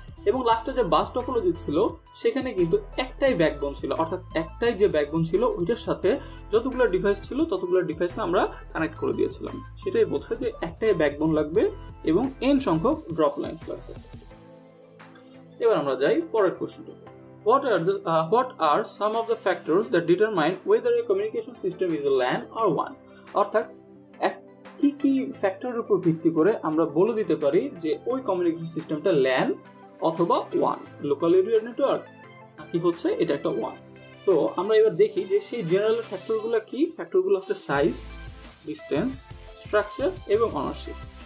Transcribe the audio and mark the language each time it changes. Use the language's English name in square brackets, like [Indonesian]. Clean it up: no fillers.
[Bangla] এবং লাস্টে যে বাস টপোলজি ছিল সেখানে কিন্তু একটাই ব্যাকবোন ছিল, অর্থাৎ একটাই যে ব্যাকবোন ছিল ওইটার সাথে যতগুলো ডিভাইস ছিল ততগুলো ডিভাইসে আমরা কানেক্ট করে দিয়েছিলাম। সেটাই বোঝায় যে একটাই ব্যাকবোন লাগবে এবং এন সংখ্যক ড্রপ লাইন্স লাগবে। এবার আমরা যাই পরের কোশ্চেনটা। [English] What are some of the factors that determine whether a communication system is a LAN or WAN? [Bangla] অর্থাৎ কি কি ফ্যাক্টরের উপর ভিত্তি করে আমরা বলে দিতে পারি যে ওই কমিউনিকেশন সিস্টেমটা LAN অথবা WAN, লোকাল এরিয়া নেটওয়ার্ক কি হচ্ছে এটা একটা WAN। তো আমরা এবার দেখি যে সেই জেনারেল ফ্যাক্টরগুলো কি। ফ্যাক্টরগুলো হচ্ছে সাইজ, ডিস্টেন্স, স্ট্রাকচার এবং অনারশিপ।